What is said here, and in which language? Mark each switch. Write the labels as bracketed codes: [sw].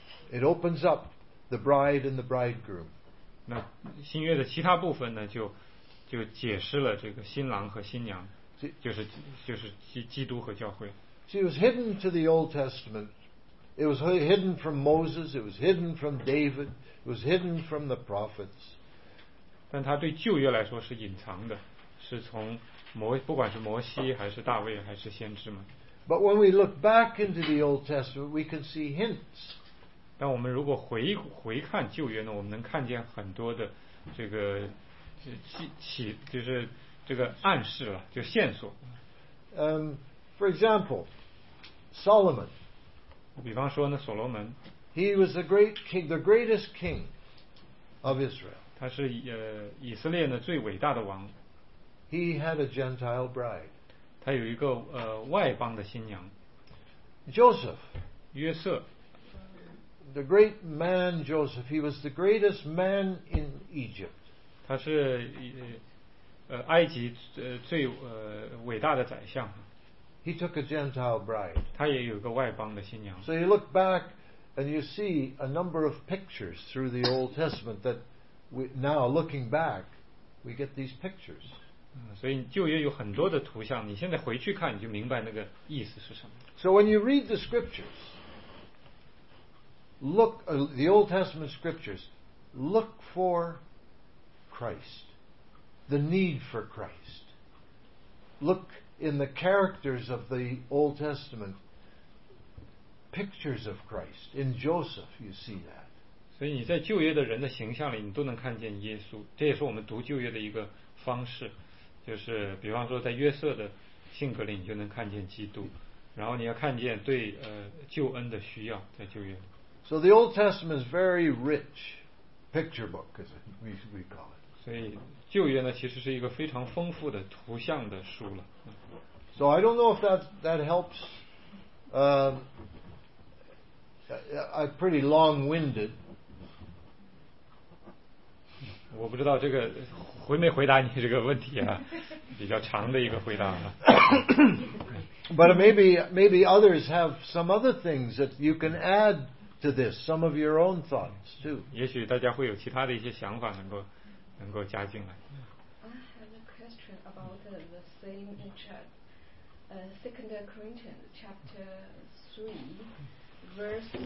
[en] It opens up the bride and the bridegroom. [zh] 那新约的其他部分呢，就解释了这个新郎和新娘，就是基督和教会。 [en] See, it was hidden to the Old Testament. It was hidden from Moses. It was hidden from David. It was hidden from the prophets. [zh] 但它对旧约来说是隐藏的。是从摩，不管是摩西还是大卫还是先知们。 [en] But when we look back into the Old Testament, we can see hints. [zh] 但我们如果回看旧约呢，我们能看见很多的这个起就是这个暗示了，就线索。 [en] For example, Solomon. [zh] 比方说呢，所罗门。 [en] He was the great king, the greatest king of Israel. [zh] 他是以色列的最伟大的王。 [en] He had a Gentile bride. [zh] 他有一个外邦的新娘。 [en] Joseph. [zh] 约瑟。 [en] the great man Joseph. He was the greatest man in Egypt. [zh] 他是埃及最伟大的宰相。 [en] He took a Gentile bride. [zh] 他也有个外邦的新娘。 [en] So you look back and you see a number of pictures through the Old Testament that we, now looking back, we get these pictures. [zh] 所以旧约有很多的图像，你现在回去看，你就明白那个意思是什么。 [en] So when you read the scriptures, look the Old Testament scriptures, look for Christ, the need for Christ. Look in the characters of the Old Testament, pictures of Christ. In Joseph, you see that. [zh] 所以你在旧约的人的形象里，你都能看见耶稣。这也是我们读旧约的一个方式，就是比方说在约瑟的性格里，你就能看见基督。然后你要看见对救恩的需要，在旧约。 [en] So the Old Testament is very rich picture book, as we call it. [zh] 所以旧约呢，其实是一个非常丰富的图像的书了。 [en] So I don't know if that helps. I'm pretty long-winded. [zh] 我不知道这个回没回答你这个问题啊，比较长的一个回答啊。 [en] But maybe others have some other things that you can add to this, some of your own thoughts too. [zh] 也许大家会有其他的一些想法能够加进来。 [en] I have a question about the same in Second Corinthians chapter 3:6.